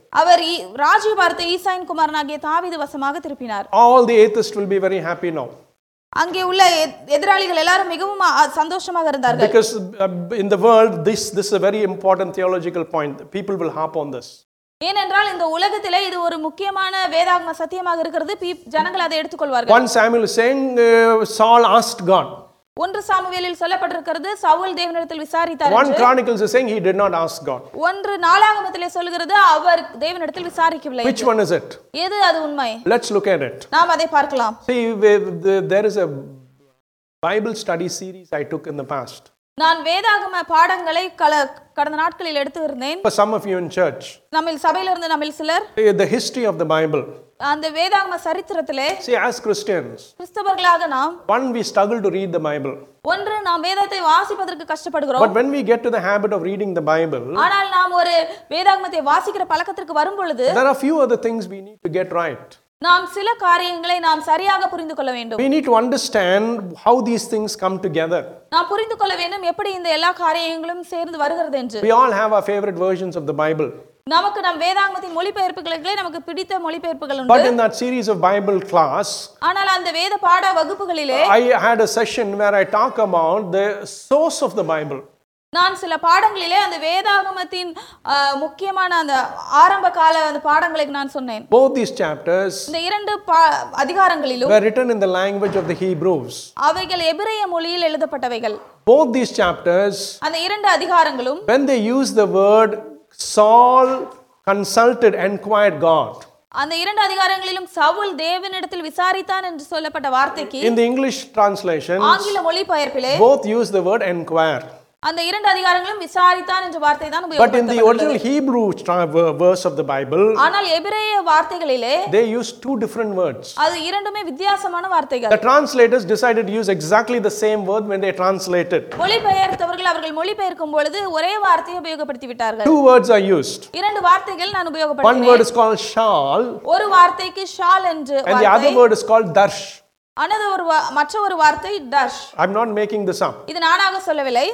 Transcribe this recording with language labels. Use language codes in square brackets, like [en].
[ta] அவர் ராஜ்யபாரத்தை ஈசாயின் குமாரனாகிய தாவீது வசமாக திருப்பினார். [en] All the atheists will be very happy now. [ta] அங்கே உள்ள எதிராளிகள் எல்லாரும் மிகவும் சந்தோஷமாக இருந்தார்கள். [en] Because in the world this is a very important theological point. People will harp on this. [ta] ஏனென்றால் இந்த உலகத்திலே இது ஒரு முக்கியமான வேதாகம சத்தியமாக இருக்கிறது. ஜனங்கள் அதை எடுத்துக்கொள்வார்கள். [en] 1 Samuel is saying Saul asked God. [ta] 1 சாமுவேலில் சொல்லப்பட்டிருக்கிறது சவுல் தேவனிடத்தில் விசாரித்தார். [en] 1 Chronicles is saying he did not ask God. [ta] 1 நாலாகமத்திலே சொல்கிறது அவர் தேவனிடத்தில் விசாரிக்கவில்லை. [en] Which one is it? [ta] எது அது உண்மை? [en] Let's look at it. [ta] நாம் அதை பார்க்கலாம். [en] See, there is a Bible study series I took in the past. [ta] நான் வேதாகம பாடங்களை கடந்த நாட்களில் எடுத்து இருந்தேன். [en] For some of you in church. [ta] நம்மில் சபையில் இருந்து நம்மில் சிலர். [en] The history of the Bible. [ta] அந்த வேதாகம சரித்திரத்திலே. [en] See, as Christians. [ta] கிறிஸ்தவர்களாக நாம். [en] One, we struggle to read the Bible. [ta] ஒன்று நாம் வேதத்தை வாசிப்பதற்கு கஷ்டப்படுகிறோம். [en] But when we get to the habit of reading the Bible. [ta] ஆனால் நாம் ஒரு வேதாகமத்தை வாசிக்கிற பழக்கத்திற்கு வரும்பொழுது. [en] There are a few other things we need to get right. [ta] நாம் சில காரியங்களை நாம் சரியாக புரிந்து கொள்ள வேண்டும். [en] We need to understand how these things come together. [ta] நாம் புரிந்து கொள்ள வேண்டும் எப்படி இந்த எல்லா காரியங்களும் சேர்ந்து வருகிறது என்று. [en] We all have our favorite versions of the Bible. [ta] நமக்கு நம் வேதாகமத்தின் மொழிபெயர்ப்புகளுக்கே நமக்கு பிடித்த மொழிபெயர்ப்புகள் உண்டு. [en] But in that series of Bible class. [ta] ஆனால் அந்த வேத பாட வகுப்புகளிலே. [en] I had a session where I talk about the source of the Bible. [ta] நான் சில பாடங்களிலே அந்த வேதாகமத்தின் முக்கியமான அந்த ஆரம்ப கால அந்த பாடங்களை நான் சொன்னேன். [en] Both these chapters. [ta] இந்த 2 அதிகாரங்களிலும். [en] Were written in the language of the Hebrews. [ta] அவைகள் எபிரேய மொழியில் எழுதப்பட்டவைகள். [en] Both these chapters. [ta] அந்த 2 அதிகாரங்களும். [en] When they use the word Saul consulted, inquired God. [ta] அந்த 2 அதிகாரங்களிலும் சவுல் தேவனிடத்தில் விசாரித்தான் என்று சொல்லப்பட்ட வார்த்தைக்கு. [en] In the English translation. [ta] ஆங்கில மொழிபெயர்ப்பிலே. [en] Both use the word inquire. [ta] அந்த 2 அதிகாரங்களும் விசாரித்தான் என்ற வார்த்தை தான் உபயோகப்படுத்தப்பட்டது. [en] But in the original Hebrew verse of the Bible. [ta] ஆனால் எபிரேய வார்த்தைகளிலே. [en] They used 2 different words. [ta] அது இரண்டுமே வித்தியாசமான வார்த்தைகள். [en] The translators decided to use exactly the same word when they translated. [ta] மொழிபெயர்த்தவர்கள் அவர்கள் மொழிபெயர்க்கும் பொழுது ஒரே வார்த்தையை உபயோகப்படுத்தி விட்டார்கள். [en] 2 words are used. [ta] 2 வார்த்தைகள் நான் உபயோகப்படுத்தினேன். [en] One word is called shawl. [ta] ஒரு வார்த்தைக்கு shawl என்று வார்த்தை. [en] And the other word is called darsh. [ta] மற்றொரு வார்த்தை டஷ். [en] I'm not making this up. [ta] இது நானாக சொல்லவில்லை.